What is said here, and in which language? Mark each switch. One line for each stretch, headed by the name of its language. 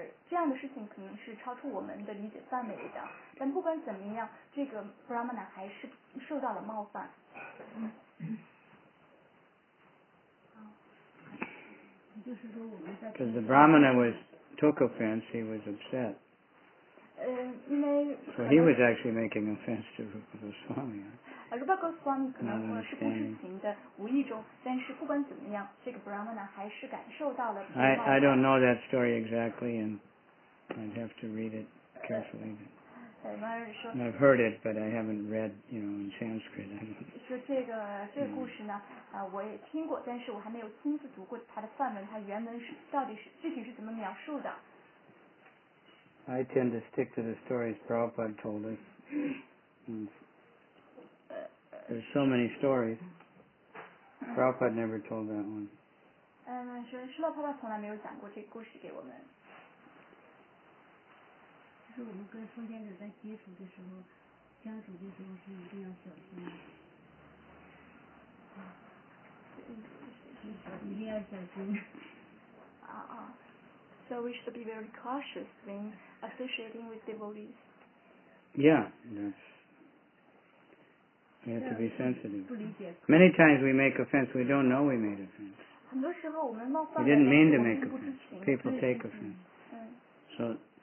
Chinese: 这样的事情可能是超出我们的理解范围的，但不管怎么样，这个 Brahmana 还是受到了冒犯。
English: Because the Brahmana took offense, he was upset. So he was actually making offense to Rupa Goswami.
Chinese: Rupa Goswami 可能是不知情的，无意中，但是不管怎么样，这个 Brahmana 还是感受到了。
English: I don't know that story exactly, and I'd have to read it carefully. I've heard it, but I haven't read, you know, in Sanskrit.
Chinese: 说这个故事呢，我也听过，但是我还没有亲自读过它的梵文，它原文是到底是具体是怎么描述的。
English: I tend to stick to the stories Prabhupada told us. There's so many stories. Prabhupada never told that one.
Chinese: 说释迦牟尼佛从来没有讲过这个故事给我们。是我们跟奉献者在接触的时候，相处的时候是一定要小心的，一定要小心。
English: So we should be very cautious when associating with devotees. Yeah, that's. We have to be sensitive. Many times we make offense, we don't know we made offense.
Chinese: 很多时候我们冒犯。
English: We didn't mean to make offense. People take offense. So.